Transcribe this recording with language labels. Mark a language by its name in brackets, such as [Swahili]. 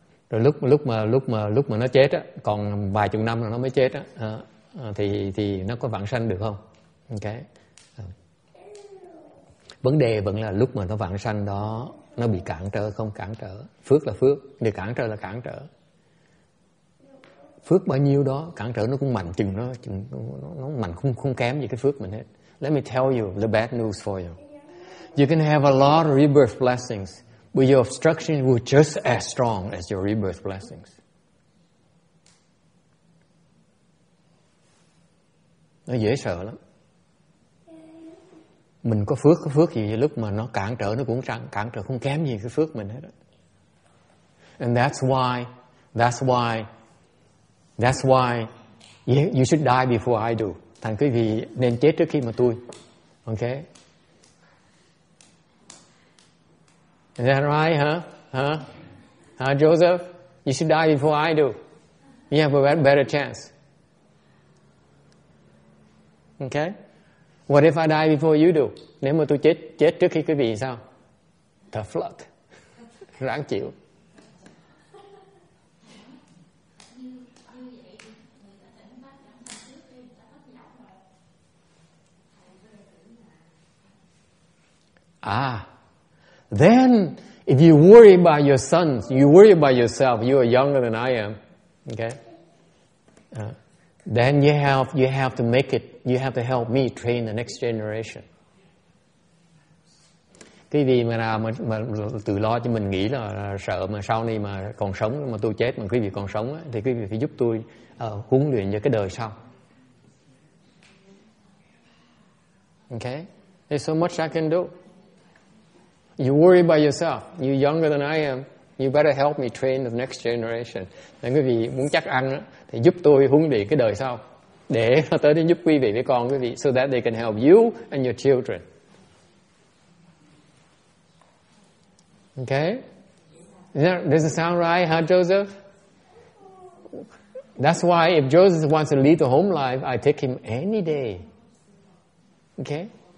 [Vietnamese] Rồi lúc mà nó chết á, còn vài chục năm rồi nó mới chết á, thì nó có vãng sanh được không? Ok. Vấn đề vẫn là lúc mà nó vãng sanh đó nó bị cản trở không cản trở. Phước là phước, để cản trở là cản trở. Phước bao nhiêu đó, cản trở nó cũng mạnh chừng nó mạnh không kém gì cái phước mình hết. [English] Let me tell you the bad news for you. You can have a lot of rebirth blessings, but your obstruction will just as strong as your rebirth blessings. [Vietnamese] Nó dễ sợ lắm. Mình có phước gì lúc mà nó cản trở, nó cũng cản trở không kém gì cái phước mình hết. [English] And that's why you should die before I do. [Vietnamese] Thành quý vị nên chết trước khi mà tôi. [English] Okay? Is that right, huh, Joseph? You should die before I do. You have a better chance. Okay? What if I die before you do? [Vietnamese] Nếu mà tôi chết trước khi quý vị sao? [English] Tough luck. [Vietnamese] Ráng chịu. [English] Then, if you worry about your sons, you worry about yourself, you are younger than I am, okay? Then you have to make it, you have to help me train the next generation. [Vietnamese] Cái gì mà tự lo cho mình nghĩ là sợ mà sau này mà còn sống, mà tôi chết mà quý vị còn sống, thì quý vị phải giúp tôi huấn luyện cho cái đời sau. [English] Okay? There's so much I can do. You worry by yourself. You're younger than I am. You better help me train the next generation. [Vietnamese] Nếu quý vị muốn chắc ăn thì giúp tôi huấn luyện cái đời sau. Để tới đến giúp quý vị với con quý vị. [English] So that they can help you and your children. Okay? Does it sound right, huh, Joseph? That's why if Joseph wants to lead the home life, I take him any day. Okay?